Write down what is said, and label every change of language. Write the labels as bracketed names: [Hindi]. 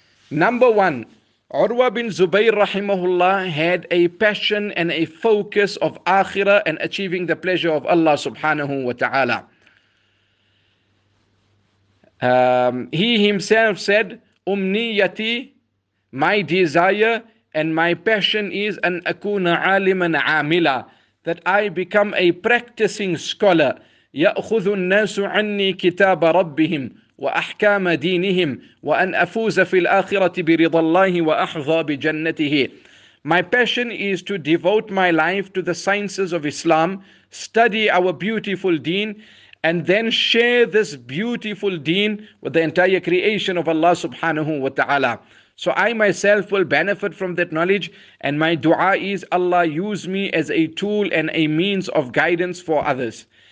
[English] Number one, Urwah bin Zubayr rahimahullah had a passion and a focus of akhirah and achieving the pleasure of Allah subhanahu wa ta'ala. He himself said, [Arabic] Umniyati, [English] my desire and my passion is [Arabic] an akuna aliman amila, [English] that I become a practicing scholar. [Arabic] يأخذ الناس عني كتاب ربهم وأحكام دينهم وأن أفوز في الآخرة برضا الله وأحظى بجنته. [English] My passion is to devote my life to the sciences of Islam, study our beautiful deen, and then share this beautiful deen with the entire creation of Allah subhanahu wa ta'ala. So I myself will benefit from that knowledge, and my dua is Allah use me as a tool and a means of guidance for others.